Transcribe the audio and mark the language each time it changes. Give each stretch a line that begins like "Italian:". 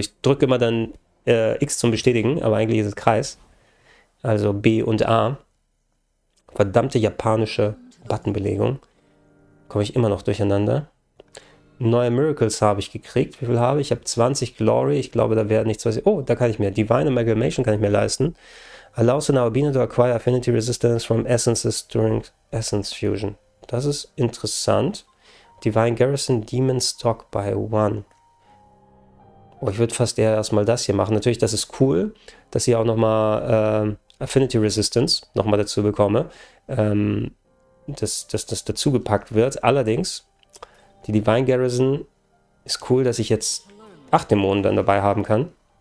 German: Ich drücke immer dann X zum Bestätigen, aber eigentlich ist es Kreis. Also B und A. Verdammte japanische Buttonbelegung. Komme ich immer noch durcheinander. Neue Miracles habe ich gekriegt. Wie viel habe ich? Ich habe 20 Glory. Ich glaube, da wäre nichts, was ich... Oh, da kann ich mir. Divine Amalgamation kann ich mir leisten.
English: Allows an Albino to acquire Affinity Resistance from Essences during Essence Fusion.
German: Das ist interessant.
English: Divine Garrison Demon Stock by One.
German: Oh, ich würde fast eher erstmal das hier machen. Natürlich, das ist cool, dass ich auch nochmal Affinity Resistance nochmal dazu bekomme. Dass das dazu gepackt wird. Allerdings, die Divine Garrison ist cool, dass ich jetzt 8 Dämonen dann dabei haben kann.